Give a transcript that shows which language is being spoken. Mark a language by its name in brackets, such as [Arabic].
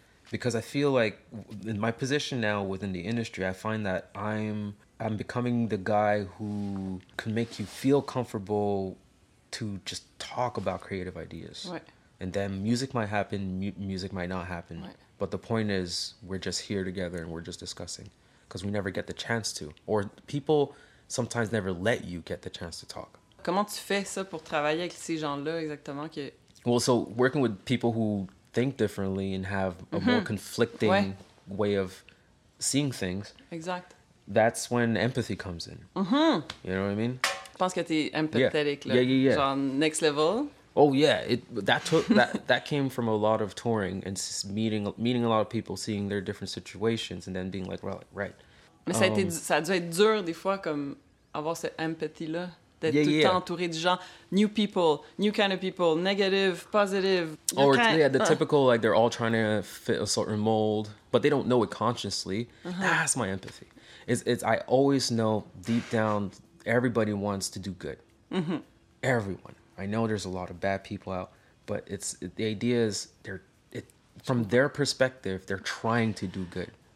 [English] Because I feel like in my position now within the industry, I find that I'm becoming the guy who can make you feel comfortable to just talk about creative ideas. Right. And then music might happen, music might not happen. Right. But the point is, we're just here together and we're just discussing. Because we never get the chance to. Or people sometimes never let you get the chance to talk. [French] Comment tu fais ça pour travailler avec ces gens-là exactement? Que... [English] Well, so working with people who think differently and have a more conflicting way of seeing things. Exact. That's when empathy comes in. Mm-hmm. You know what I mean? [French] Je pense que t'es empathetic. [English] Yeah. Yeah. Genre next level. Oh yeah, that came from a lot of touring and meeting a lot of people, seeing their different situations, and then being like, well, right. [French] Mais ça a dû être dur des fois comme avoir cette empathy là. D'être tout le temps entouré de gens, [English] new people, new kind of people, negative, positive. Or the typical, like, they're all trying to fit a certain mold, but they don't know it consciously. Uh-huh. That's my empathy. It's I always know deep down everybody wants to do good. Mm-hmm. Everyone. I know there's a lot of bad people out, but the idea is from their perspective, they're trying to do good.